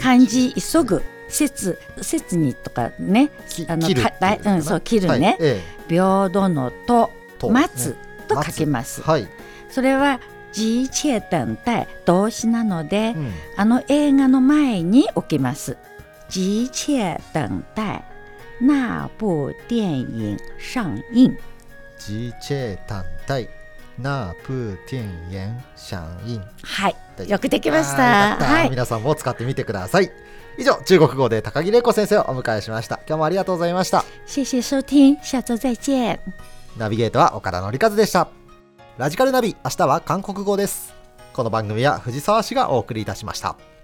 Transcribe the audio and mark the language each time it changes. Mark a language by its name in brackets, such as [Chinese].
[Japanese] 漢字急ぐ、切、切にとかね、切る、うん、そう切るね、はい、平等のと、待つと書きます、はい、それは急切等待動詞なので、うん、あの映画の前に置きます。 [Chinese] 急切等待那部电影上映。急切等待那部电影上映。 [Japanese] はい、よくできました。はい、皆さんも使ってみてください。以上、中国語で高木玲子先生をお迎えしました。今日もありがとうございました。 [Chinese] 谢谢收听，下周再见。 [Japanese] ナビゲートは岡田紀一でした。ラジカルナビ、明日は韓国語です。この番組は藤沢氏がお送りいたしました。